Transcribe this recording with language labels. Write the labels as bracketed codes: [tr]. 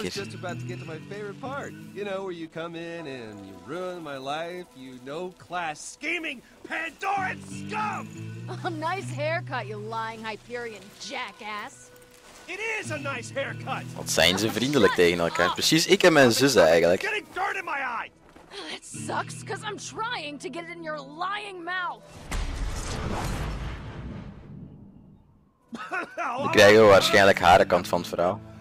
[en] I was just about to get to my favorite part. You know, where you come in and you ruin my life, you no-class scheming Pandoran scum! A nice haircut, you lying Hyperion jackass. It is a nice haircut! [nl] Wat zijn ze vriendelijk tegen elkaar. Precies, ik en mijn zus eigenlijk. [en] Getting dirt in my eye! It sucks, because I'm trying to get it in your lying mouth. [nl] We krijgen waarschijnlijk haar kant van het verhaal.